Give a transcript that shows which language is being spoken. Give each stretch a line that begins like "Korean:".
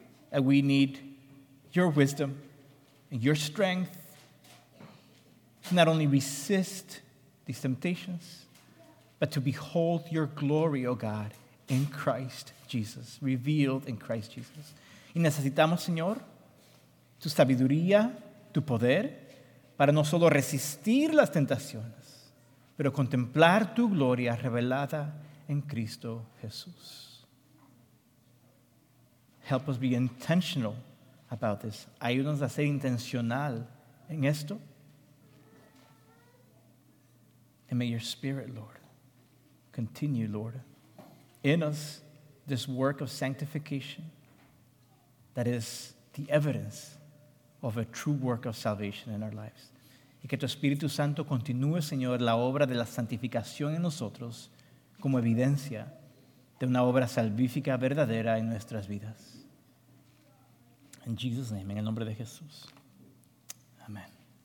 English: And we need your wisdom and your strength to not only resist these temptations, but to behold your glory, oh God, in Christ Jesus, revealed in Christ Jesus.
Spanish: Y necesitamos, Señor, tu sabiduría, tu poder, para no solo resistir las tentaciones, pero contemplar tu gloria revelada en Cristo Jesús.
English: Help us be intentional about this.
Spanish: Ayúdanos a ser intencional en esto.
English: And may your spirit, Lord, continue, Lord, in us this work of sanctification that is the evidence of a true work of salvation in our lives.
Spanish: Y que tu Espíritu Santo continúe, Señor, la obra de la santificación en nosotros como evidencia de una obra salvífica verdadera en nuestras vidas.
English: In Jesus' name,
Spanish: en el nombre de Jesús. Amén.